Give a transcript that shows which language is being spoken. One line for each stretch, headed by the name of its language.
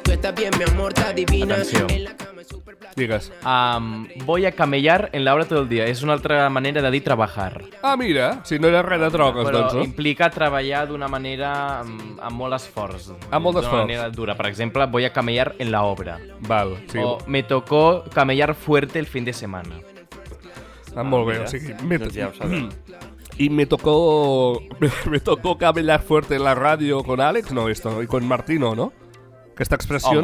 Spanish: Tú estás bien, mi amor, está divina.
Catalan: Digues.
Spanish: Voy a camellar en la obra todo el día.
Catalan: És una altra manera de dir treballar. Ah, mira, si no era res de troques, però doncs. Però implica treballar d'una manera amb molt esforç. Amb molt esforç. D'una manera dura. Per exemple,
Spanish: voy a camellar en la obra.
Catalan: Val, sí.
Spanish: O me tocó camellar fuerte el fin de semana.
Catalan: Ah, molt bé, mira. O sigui... Ja ho sabem.
Spanish: Y me tocó camellar fuerte en la radio con Alex, no, esto, y con Martino, ¿no? Que esta expresión